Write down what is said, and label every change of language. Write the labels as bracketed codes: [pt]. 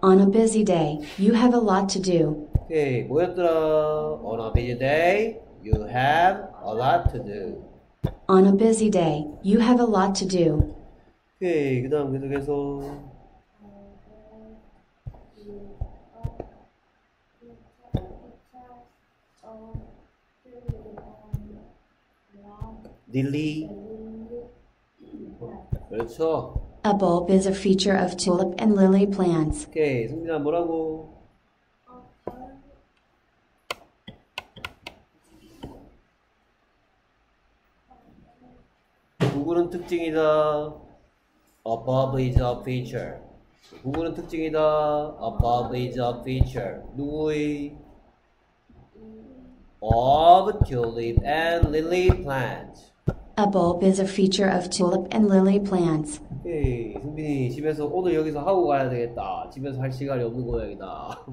[en] On a busy day, you have a lot to do. [ko] 오케이 뭐였더라 [en] on a busy day you have a lot to do On a busy day, you have a lot to do. [ko] 오케이 그 다음 계속해서 릴리 그렇죠 [en] A bulb is a feature of tulip and lily plants. [ko] 오케이 승진아 뭐라고 구글은 특징이다. [en] A bulb is a feature. [ko] 구글은 특징이다. [en] A bulb is a feature. [ko] 누구의? [en] Of tulip and lily plants. A bulb is a feature of tulip and lily plants. [ko] 오케이. 승빈이, 집에서, 오늘 여기서 하고 가야 되겠다. 집에서 할 시간이 없는 고양이다.